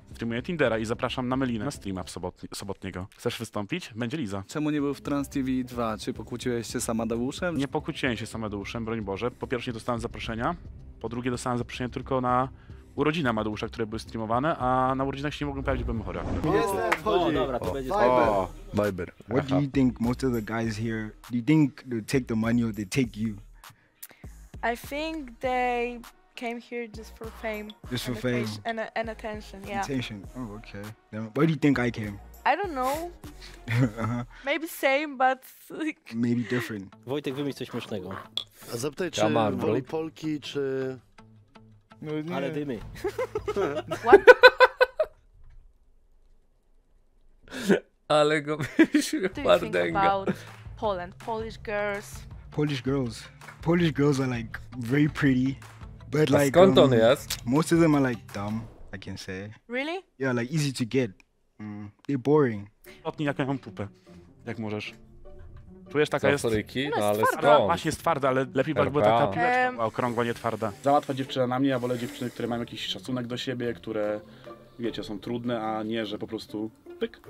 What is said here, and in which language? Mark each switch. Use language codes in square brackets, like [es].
[pl] Streamuję Tindera i zapraszam na Melinę na streama sobotniego. Chcesz wystąpić? Będzie Liza. Czemu nie był w Trans TV 2? Czy pokłóciłeś się z Amadeuszem? Nie pokłóciłem się z Amadeuszem, broń Boże. Po pierwsze nie dostałem zaproszenia. Po drugie dostałem zaproszenie tylko na urodziny Amadeusza, które były streamowane, a na urodzinach się nie mogłem pojawić, bo byłem chory. Viber. [en] What do you think most of the guys here, do you think they take the money or they take you? I think they came here just for fame. Just for fame? And attention, yeah. Attention, oh, okay. Then where do you think I came? I don't know. Maybe same, but... Maybe different. [pl] Wojtek, wymyśl coś śmiesznego. A zapytaj, czy Kamar, woli Polki, czy... No nie. Ale dymy. Ale go wyśmiał. [en] What do you think about Poland? Polish girls? Polish girls. Polish girls are like very pretty. But a like... [pl] Skąd on jest? [en] Most of them are like dumb, I can say. Really? Yeah, like easy to get. They're boring. [pl] Otnij jak mam pupę, jak możesz. Czujesz, taka jest... Zasoryki? No ale skąd? Właśnie jest twarda, ale lepiej by była taka piłeczka okrągła, nie twarda. Za łatwa dziewczyna na mnie, ja wolę dziewczyny, które mają jakiś szacunek do siebie, które, wiecie, są trudne, a nie, że po prostu pyk.